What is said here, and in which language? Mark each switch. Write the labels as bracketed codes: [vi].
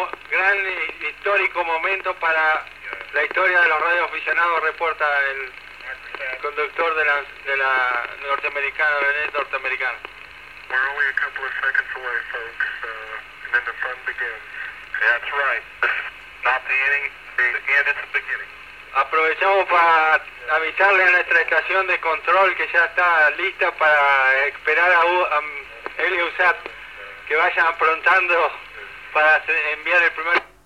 [es] Gran histórico momento para la historia de los radioaficionados, reporta el conductor de la norteamericana, de la norteamericana. [en] We're only a couple of seconds away, folks, and then the fun begins. That's right. Not the inning, the end, it's the beginning. [es] Aprovechamos para avisarle a nuestra estación de control que ya está lista para esperar a Heliosat que vaya aprontando para enviar el primer